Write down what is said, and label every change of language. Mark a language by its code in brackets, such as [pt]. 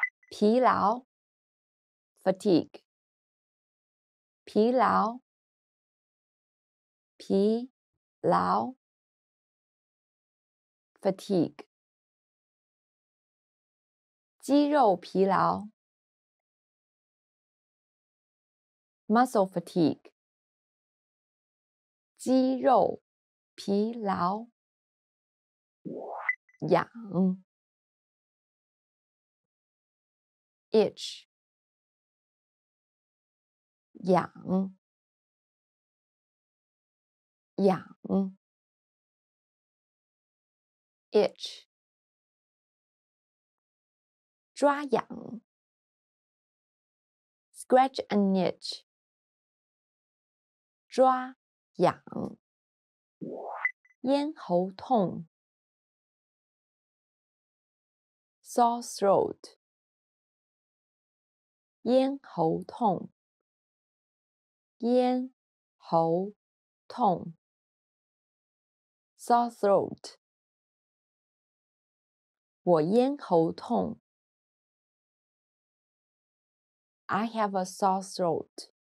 [zh] 疲劳 ，fatigue， 疲劳，疲劳 ，fatigue， 肌肉疲劳 ， [en] muscle fatigue， [zh] 肌肉疲劳，痒。 Itch， 痒，痒 ，itch， 抓痒 ， [en] scratch and itch， [zh] 抓痒，咽喉痛 ， [en] sore throat。 [zh] 咽喉痛，咽喉痛 ， [en] sore throat。 [zh] 我咽喉痛 [en] ，I have a sore throat。